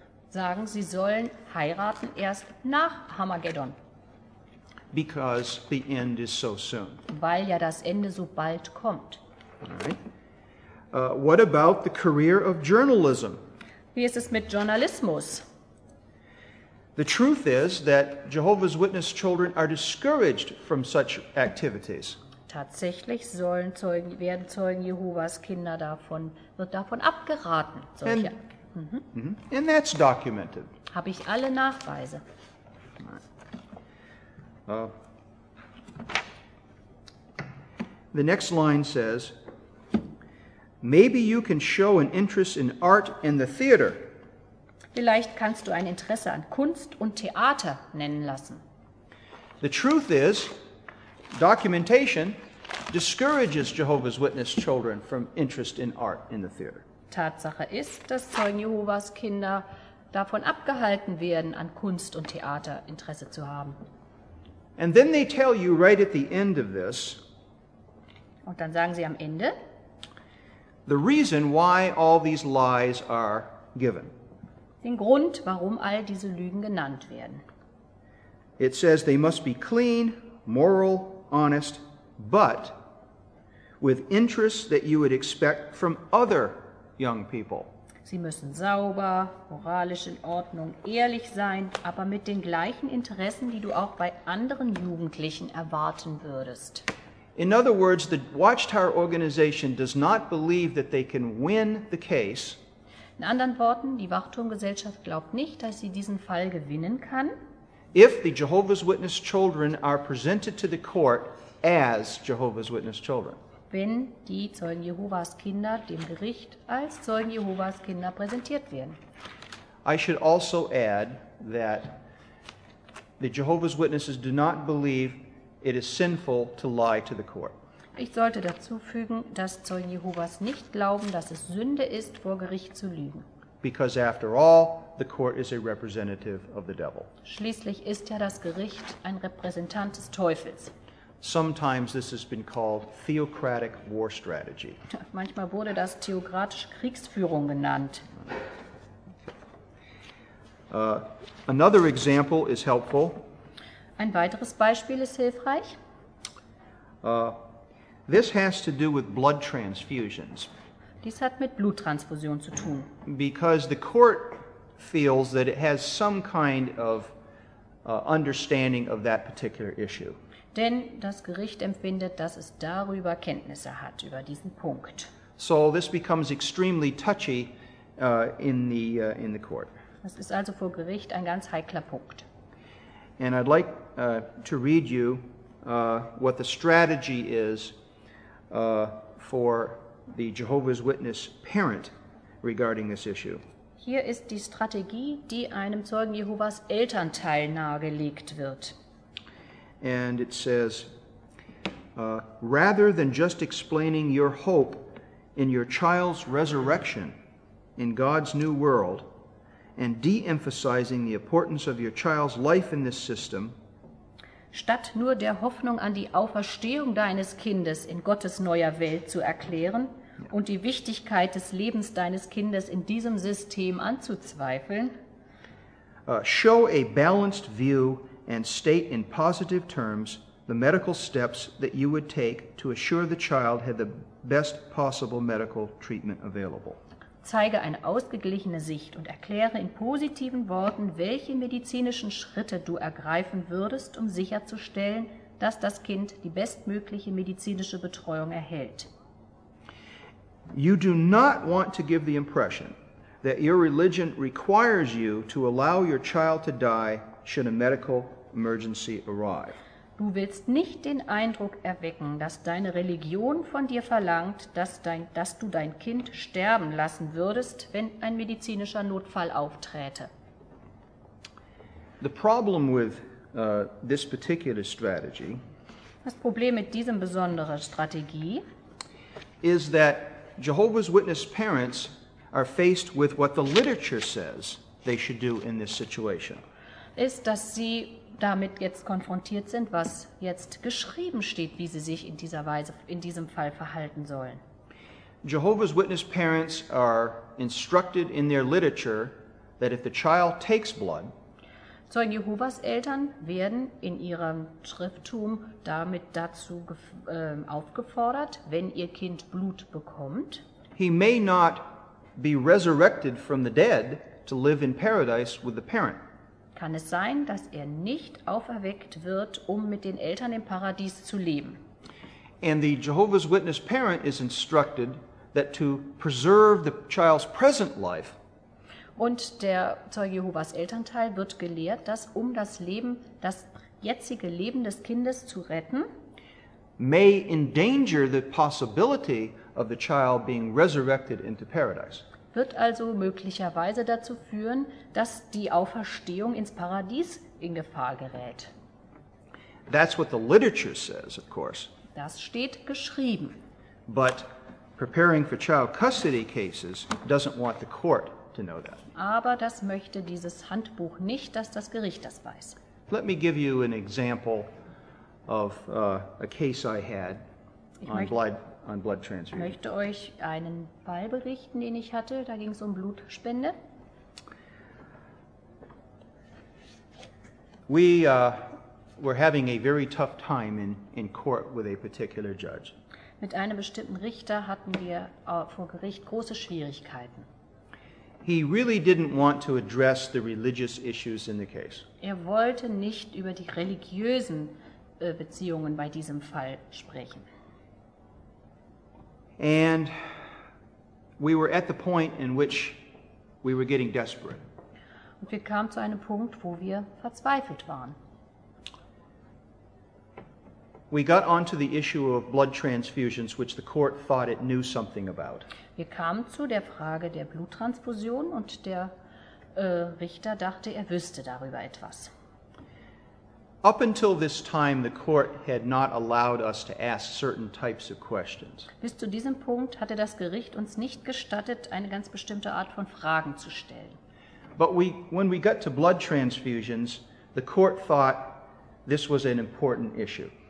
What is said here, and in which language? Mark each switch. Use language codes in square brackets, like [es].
[de] Sagen, sie sollen heiraten erst nach Armageddon. [en] Because the end is so soon. [de] Weil ja das Ende so bald kommt. [en] All right. What about the career of journalism? [de] Wie ist es mit Journalismus? [en] The truth is that Jehovah's Witness children are discouraged from such activities. [de] Tatsächlich sollen Zeugen, werden Zeugen Jehovas Kinder davon, wird davon abgeraten. Solche. [en] And, and that's documented. [de] Habe ich alle Nachweise. [en] The next line says, maybe you can show an interest in art and the theater. [de] Vielleicht kannst du ein Interesse an Kunst und Theater nennen lassen. [en] The truth is, documentation discourages Jehovah's Witness children from interest in art in the theater. [de] Tatsache ist, dass Zeugen Jehovas Kinder davon abgehalten werden, an Kunst und Theater Interesse zu haben. [en] And then they tell you right at the end of this, [de] und dann sagen sie am Ende, [en] the reason why all these lies are given. [de] Den Grund, warum all diese Lügen genannt werden. [en] It says they must be clean, moral, honest, but with interests that you would expect from other young people. [de] Sie müssen sauber, moralisch in Ordnung, ehrlich sein, aber mit den gleichen Interessen, die du auch bei anderen Jugendlichen erwarten würdest. [en] In other words, the Watchtower organization does not believe that they can win the case. [de] In anderen Worten, die Wachturmgesellschaft glaubt nicht, dass sie diesen Fall gewinnen kann. [en] If the Jehovah's Witness children are presented to the court as Jehovah's Witness children. [de] Wenn die Zeugen Jehovas Kinder dem Gericht als Zeugen Jehovas Kinder präsentiert werden. [en] I should also add that the Jehovah's Witnesses do not believe it is sinful to lie to the court. [de] Ich sollte dazu fügen, dass Zeugen Jehovas nicht glauben, dass es Sünde ist, vor Gericht zu lügen. [en] Because after all, the court is a representative of the devil. [de] Schließlich ist ja das Gericht ein Repräsentant des Teufels. [en] Sometimes this has been called theocratic war strategy. [de] Manchmal wurde das theokratische Kriegsführung genannt. [en] Another example is helpful. [de] Ein weiteres Beispiel ist hilfreich. [en] This has to do with blood transfusions. [de] Dies hat mit Bluttransfusion zu tun. [en] Because the court feels that it has some kind of understanding of that particular issue. [de] Denn das Gericht empfindet, dass es darüber Kenntnisse hat, über diesen Punkt. [en] So this becomes extremely touchy in the court. [de] Das ist also vor Gericht ein ganz heikler Punkt. [en] And I'd like to read you what the strategy is for the Jehovah's Witness parent regarding this issue. [de] Hier ist die Strategie, die einem Zeugen Jehovas Elternteil nahegelegt wird. [en] And it says, rather than just explaining your hope in your child's resurrection in God's new world and de-emphasizing the importance of your child's life in this system, [de] statt nur der Hoffnung an die Auferstehung deines Kindes in Gottes neuer Welt zu erklären und die Wichtigkeit des Lebens deines Kindes in diesem System anzuzweifeln, [en] show a balanced view and state in positive terms the medical steps that you would take to assure the child had the best possible medical treatment available. [de] Zeige eine ausgeglichene Sicht und erkläre in positiven Worten, welche medizinischen Schritte du ergreifen würdest, um sicherzustellen, dass das Kind die bestmögliche medizinische Betreuung erhält. [en] You do not want to give the impression that your religion requires you to allow your child to die should a medical emergency arrive. [de] Du willst nicht den Eindruck erwecken, dass deine Religion von dir verlangt, dass du dein Kind sterben lassen würdest, wenn ein medizinischer Notfall aufträte. [en] The problem with this particular strategy, [de] das Problem mit diesem besonderen Strategie, [en] is that Jehovah's Witness parents are faced with what the literature says they should do in this situation. [de] Ist, dass sie damit jetzt konfrontiert sind, was jetzt geschrieben steht, wie sie sich in dieser Weise, in diesem Fall verhalten sollen. [en] Jehovah's Witness parents are instructed in their literature that if the child takes blood, [de] Zeugen Jehovas Eltern werden in ihrem Schrifttum damit dazu aufgefordert, wenn ihr Kind Blut bekommt, [en] he may not be resurrected from the dead to live in paradise with the parent. [de] Kann es sein, dass er nicht auferweckt wird, um mit den Eltern im Paradies zu leben? [en] And the Jehovah's Witness parent is instructed that to preserve the child's present life. [de] Und der Zeuge Jehovas Elternteil wird gelehrt, dass um das Leben, das jetzige Leben des Kindes zu retten, [en] may endanger the possibility of the child being resurrected into paradise. [de] Wird also möglicherweise dazu führen, dass die Auferstehung ins Paradies in Gefahr gerät. [en] That's what the literature says, of course. [de] Das steht geschrieben. [en] But preparing for child custody cases doesn't want the court to know that. [de] Aber das möchte dieses Handbuch nicht, dass das Gericht das weiß. [en] Let me give you an example of a case I had on blood transfusion. [de] Ich möchte euch einen Fall berichten, den ich hatte. Da ging es um Blutspende. [en] We were having a very tough time in court with a particular judge. [de] Mit einem bestimmten Richter hatten wir vor Gericht große Schwierigkeiten. [en] He really didn't want to address the religious issues in the case. [de] Er wollte nicht über die religiösen Beziehungen bei diesem Fall sprechen. [en] And we were at the point in which we were getting desperate. [de] Und wir kamen zu einem Punkt, wo wir verzweifelt waren. [en] We got onto the issue of blood transfusions, which the court thought it knew something about. [de] Wir kamen zu der Frage der Bluttransfusion und der Richter dachte, er wüsste darüber etwas. [en] Up until this time, the court had not allowed us to ask certain types of questions. [de] Bis zu diesem Punkt hatte das Gericht uns nicht gestattet, eine ganz bestimmte Art von Fragen zu stellen. [en] But when we got to blood transfusions, the court thought this was an important issue.